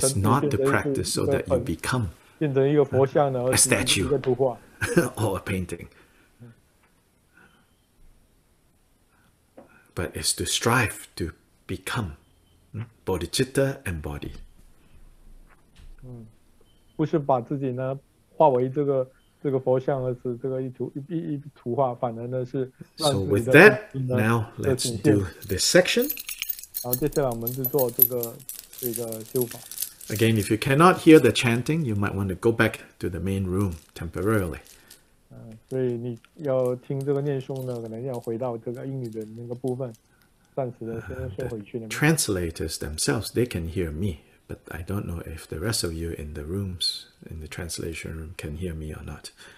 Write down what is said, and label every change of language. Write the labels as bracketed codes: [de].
[en] It's not the practice so that you become [zh] 变成一个佛像呢，a [en] statue [zh] 一个图画 [en] or a painting. But it's to strive to become bodhicitta embodied. [zh] 不是把自己呢化为这个。这个佛像呢，是这个一图画，反而呢是。 [en] So with that, now let's do this section. [zh] 然后接下来我们就做这个修法。 [en] Again, if you cannot hear the chanting, you might want to go back to the main room temporarily. [zh] 所以你要听这个念诵呢，可能要回到这个英语的那个部分，暂时的先回去那边。 [en] Translators themselves, they can hear me, but I don't know if the rest of you in the rooms, in the translation room, can hear me or not.